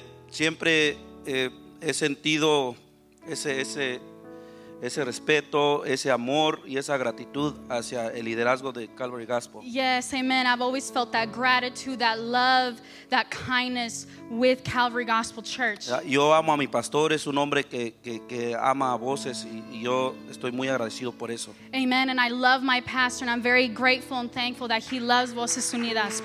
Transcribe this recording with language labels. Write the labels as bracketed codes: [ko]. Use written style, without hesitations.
[es] Siempre he sentido ese respeto, ese amor y esa gratitud hacia el liderazgo de Calvary Gospel. [en] Yes, amen. I've always felt that gratitude, that love, that kindness with Calvary Gospel Church. [es] Yo amo a mi pastor, es un hombre que ama a voces y yo estoy muy agradecido por eso. [en] Amen, and I love my pastor and I'm very grateful and thankful that he loves Voces Unidas.